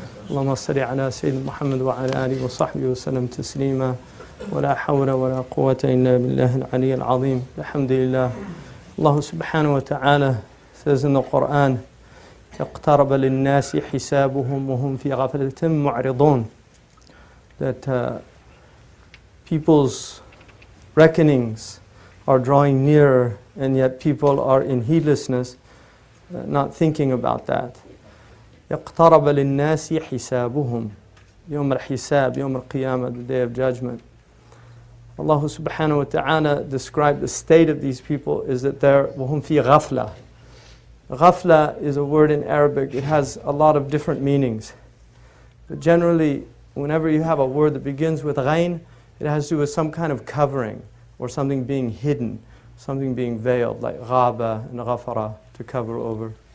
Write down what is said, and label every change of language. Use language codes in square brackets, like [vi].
[ar] اللهم صل على سيد محمد وعلى آله وصحبه وسلم تسليما. ولا حول ولا قوة إلا بالله العلي العظيم. الحمد لله. الله سبحانه وتعالى [en] says in the Quran, [ar] اقترب للناس حسابهم وهم في غفلة معرضون. [en] That people's reckonings are drawing nearer and yet people are in heedlessness, not thinking about that. [ar] اقترب للناس حسابهم يوم الحساب يوم القيامة, [en] the day of judgment. Allah subhanahu wa ta'ala described the state of these people is that they're [ar] وهم في غفلة. [en] غفلة is a word in Arabic. It has a lot of different meanings. But generally, whenever you have a word that begins with غين, it has to do with some kind of covering or something being hidden, something being veiled, like غابة and غفرة, to cover over.